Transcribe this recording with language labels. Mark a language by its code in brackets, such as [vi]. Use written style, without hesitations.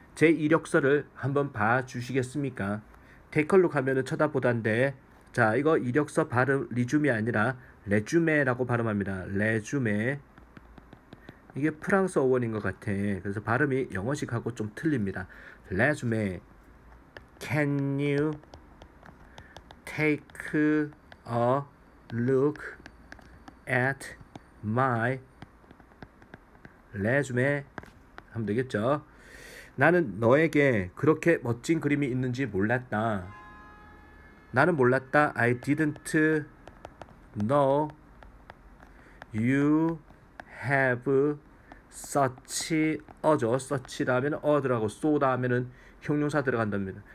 [ko] 제 이력서를 한번 봐주시겠습니까? [en] Take a look [ko] 하면은 쳐다보던데, 자, 이거 이력서 발음, 리줌이 아니라, 레쥬메라고 발음합니다. 레쥬메. 이게 프랑스 어원인 것 같아. 그래서 발음이 영어식하고 좀 틀립니다. 레쥬메. [en] Can you take a look at my resume [ko] 하면 되겠죠. 나는 너에게 그렇게 멋진 그림이 있는지 몰랐다. 나는 몰랐다. [en] I didn't know you have such 어죠. [ko] such라면 어드라고 so다 하면은 형용사 들어간답니다.